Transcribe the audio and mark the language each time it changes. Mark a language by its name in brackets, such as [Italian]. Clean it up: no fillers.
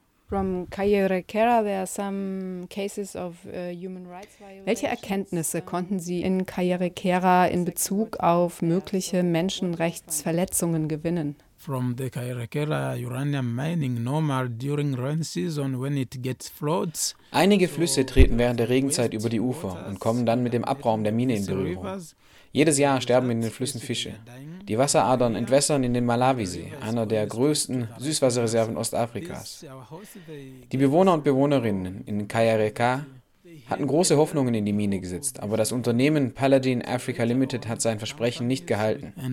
[English] From Cayerequera, there are some cases of human rights violations. [German] Welche Erkenntnisse konnten Sie in Cayerequera in Bezug auf mögliche Menschenrechtsverletzungen gewinnen? [English] From the Cayerequera uranium mining, normal during rain season when it gets floods. [German] Einige Flüsse treten während der Regenzeit über die Ufer und kommen dann mit dem Abraum der Mine in Berührung. Jedes Jahr sterben in den Flüssen Fische. Die Wasseradern entwässern in den Malawisee, einer der größten Süßwasserreserven Ostafrikas. Die Bewohner und Bewohnerinnen in Cayerequera hatten große Hoffnungen in die Mine gesetzt, aber das Unternehmen Paladin Africa Limited hat sein Versprechen nicht gehalten.